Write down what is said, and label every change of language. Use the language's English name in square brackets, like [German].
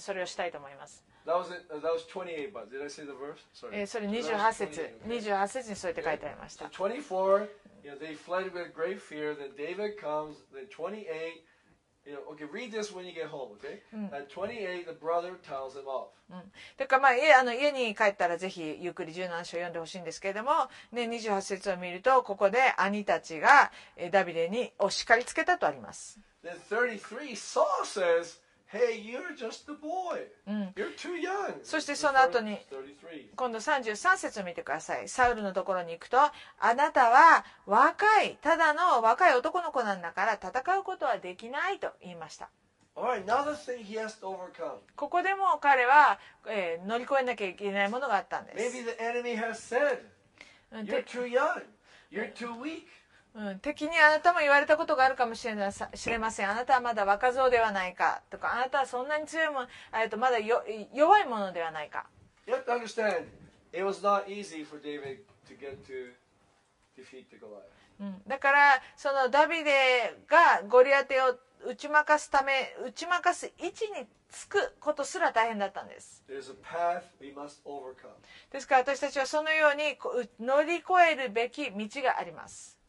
[Japanese] それをしたいと思います。それ28節、28節にそうやって書いてありました。 [English] So 24You know, they fled with great fear. Then David comes. Then 28. You know, okay. Read this when you get home. Okay. At 28, the brother tells him off. [Japanese] だからまあ、家に帰ったらぜひゆっくり17章を読んでほしいんですけれども、ね、28節を見るとここで兄たちがダビデにお叱りつけたとあります。 [English] Then 33, Saul says, Hey, you're just a boy. You're too young. [Japanese] そしてその後に今度33節を見てください。サウルのところに行くと、あなたは若い、ただの若い男の子なんだから戦うことはできないと言いました。ここでも彼は、乗り越えなきゃいけないものがあったんです。 [English] Maybe the enemy has said, you're too young, you're too weak. [Japanese] 敵にあなたも言われたことがあるかもしれません。あなたはまだ若造ではないかとか、あなたはそんなに強いもん、まだ弱いものではないか。 [English] You have to understand, it was not easy for David to get to defeat the Goliath. [Japanese] だからそのダビデがゴリアテを打ち負かすため、打ち負かす位置につくことすら大変だったんです。 [English] There's a path we must overcome. [Japanese] ですから私たちはそのように乗り越えるべき道があります。